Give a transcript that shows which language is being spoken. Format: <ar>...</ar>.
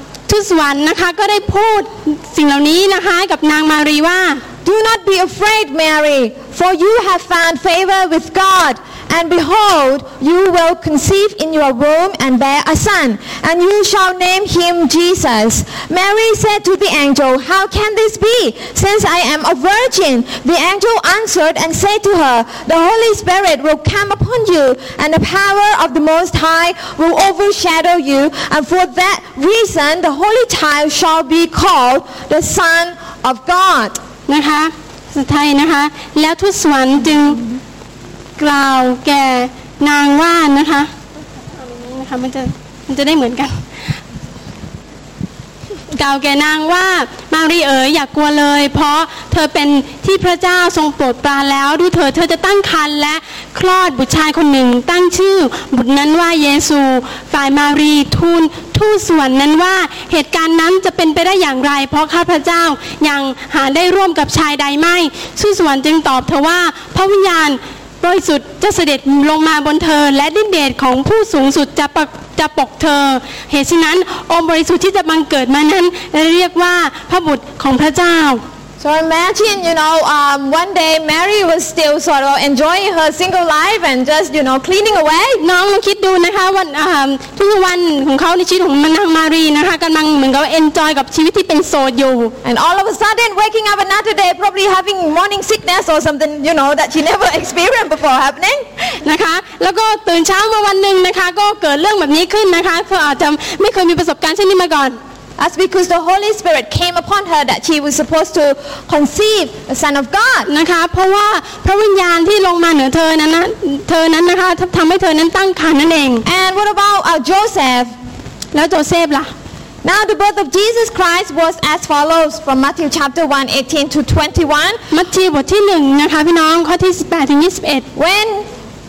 <th>ทูตสวรรค์นะคะก็ได้พูดสิ่งเหล่านี้นะคะกับนางมารีว่า</th> <en>Do not be afraid Mary for you have found favor with God and behold you will conceive in your womb and bear a son and you shall name him Jesus Mary said to the angel how can this be since I am a virgin the angel answered and said to her the Holy Spirit will come upon you and the power of the Most High will overshadow you and for that reason the Holy Child shall be called the Son of God</en> <th>นะคะสุดท้ายนะคะแล้วทูตสวรรค์จึงกล่าวแก่นางว่านะคะมันจะได้เหมือนกันกล่าวแก่นางว่ามารีเอ๋ยอย่ากลัวเลยเพราะเธอเป็นที่พระเจ้าทรงโปรดปรานแล้วดูเธอจะตั้งครรภ์และคลอดบุตรชายคนหนึ่งตั้งชื่อบุตรนั้นว่าเยซู ฝ่ายมารีทูลทูตสวรรค์นั้นว่าเหตุการณ์นั้นจะเป็นไปได้อย่างไรเพราะข้าพเจ้ายังหาได้ร่วมกับชายใดไม่ทูตสวรรค์จึงตอบเธอว่าพระวิญญาณโดยสุดจะเสด็จลงมาบนเธอและดิ้นเดชของผู้สูงสุดจะปกเธอเหตุฉะนั้นองค์บริสุทธิ์ที่จะบังเกิดมานั้นเรียกว่าพระบุตรของพระเจ้า</th> <en>So imagine you know one day Mary was still sort of enjoying her single life and just you know cleaning away</en> <th>น้องลองคิดดูนะคะว่าทุกวันของเขาในชีวิตของนางมารีนะคะกำลังเหมือนกับ enjoy กับชีวิตที่เป็นโสดอยู่</th> <en>and all of a sudden waking up another day probably having morning sickness or something you know that she never experienced before happening</en> <th>นะคะแล้วก็ตื่นเช้ามาวันนึงนะคะก็เกิดเรื่องแบบนี้ขึ้นนะคะเธออาจจะไม่เคยมีประสบการณ์เช่นนี้มาก่อน</th> <en>As because the Holy Spirit came upon her that she was supposed to conceive the Son of God.</en> <th>นะคะเพราะว่าพระวิญญาณที่ลงมาเหนือเธอนั้นนะคะทำให้เธอนั้นตั้งครรภ์นั่นเอง</th> <en>And what about Joseph?</en> <th>แล้วโจเซฟล่ะ</th> <en>Now the birth of Jesus Christ was as follows from Matthew chapter 1:18 to 21.</en> <th>มัทธิวบทที่หนึ่งนะคะพี่น้องข้อที่18ถึง21</th>